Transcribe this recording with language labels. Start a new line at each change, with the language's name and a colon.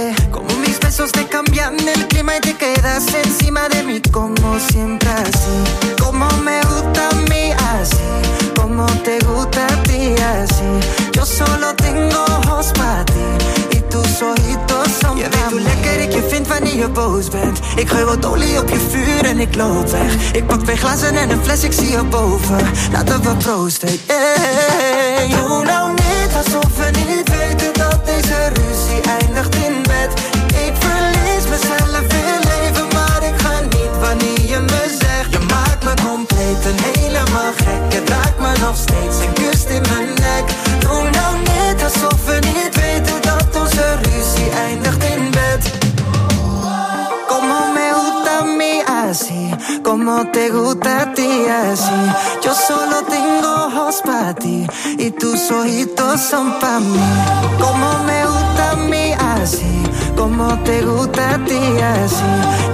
Spanish: Como mis besos te cambian el clima y te quedas encima de mí. Como siempre así, como me gusta a mí así, como te gusta a ti así. Yo solo tengo ojos para ti y tus ojitos son para mí.
Dutch: Je weet hoe lekker ik je vind wanneer je boos bent. Ik gooi wat olie op je vuur en ik loop weg. Ik pak 2 glazen en een fles, ik zie je boven. Laten we proosten, yeah. Doe nou niet alsof we niet weten dat deze ruzie eindigt in bed. Ik verlies mezelf in leven, maar ik ga niet wanneer je me zegt. Je maakt me compleet en helemaal gek. Je raakt me nog steeds en kust in mijn nek. Doe nou niet alsof we niet weten dat onze ruzie eindigt in bed.
Spanish: Como me gusta mi así, como te gusta. frente a ti así. Yo solo tengo ojos para ti y tus ojitos son para mí. Como me gusta a mí así, como te gusta a ti así.